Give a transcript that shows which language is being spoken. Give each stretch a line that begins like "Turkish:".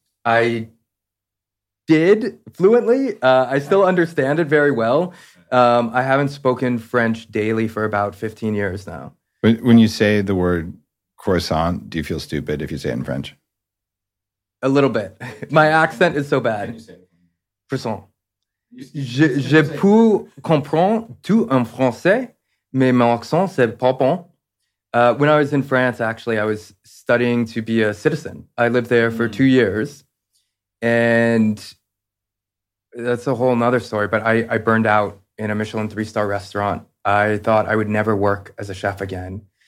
English: I did fluently. I still understand it very well. I haven't spoken French daily for about 15 years now. When you say the word croissant, do you feel stupid if you say it in French? A little bit. My accent is so bad. Can you say it? Croissant.
French: Je peux comprendre tout en français, mais mon accent, c'est pas bon.
English: When I was in France, actually, I was studying to be a citizen. I lived there for 2 years, and that's a whole nother story, but I burned out in a Michelin 3-star restaurant. I thought I would never work as a chef again.